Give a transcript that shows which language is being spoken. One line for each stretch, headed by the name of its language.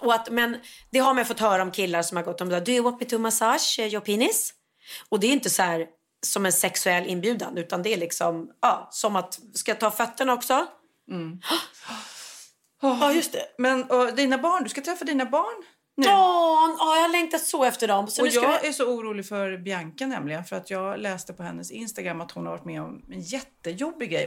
Swedish: Men det har man fått höra om killar som har gått om det.
English: Do you want me to massage your penis?
Swedish: Och det är inte så här som en sexuell inbjudan, utan det är liksom, ja, som att, ska jag ta fötterna också? Ja, just det. Men dina barn, du ska träffa dina barn nu. Ja, jag längtat så efter dem. Så och nu ska jag är så orolig för Bianca nämligen, för att jag läste på hennes Instagram att hon har varit med om en jättejobbig grej.